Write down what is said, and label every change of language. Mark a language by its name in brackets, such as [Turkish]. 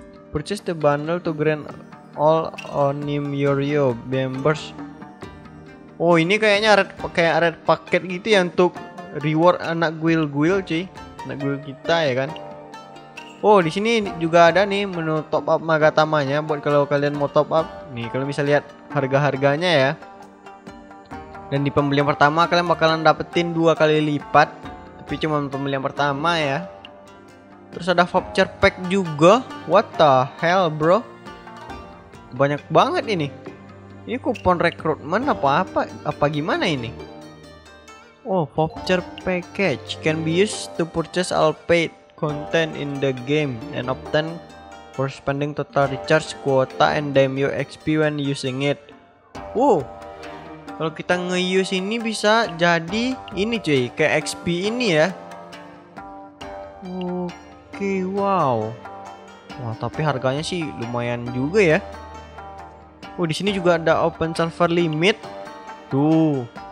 [English] Purchase the bundle to grant all on your Rio members. [Indonesian] Oh, ini kayaknya red paket gitu ya untuk reward anak guild cuy. Anak guild kita ya kan. Oh, di sini juga ada nih menu top up magatamanya buat kalau kalian mau top up. Nih, kalian bisa lihat harga-harganya ya. Dan di pembelian pertama kalian bakalan dapetin 2 kali lipat, tapi cuma pembelian pertama ya. Terus ada voucher pack juga. [English] What the hell, bro? [Indonesian] Banyak banget ini. Ini kupon rekrutmen apa gimana ini? [English] Oh, voucher package can be used to purchase all paid content in the game and obtain for spending total recharge quota and demo XP when using it. [Indonesian] Wow, kalau kita nge-use ini bisa jadi ini cuy, kayak XP ini ya. Oke, wow. Wah, tapi harganya sih lumayan juga ya. Oh, di sini juga ada open server limit. Tuh.